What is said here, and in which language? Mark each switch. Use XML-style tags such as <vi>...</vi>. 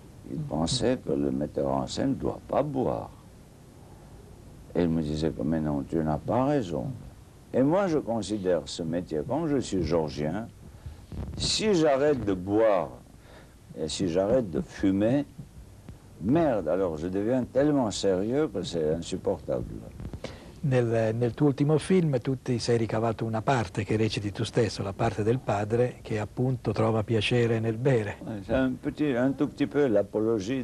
<fr>Il pensait que le metteur en scène ne doit pas boire. Et il me disait, mais non, tu n'as pas raison. Et moi, je considère ce métier, comme je suis géorgien, si j'arrête de boire et si j'arrête de fumer, merde, alors je deviens tellement sérieux que c'est insupportable.</fr> <it>Nel tuo ultimo film tu ti sei ricavato una parte che reciti tu stesso, la parte del padre che appunto trova piacere nel bere.</it> <fr>C'est un tout petit peu l'apologie</fr>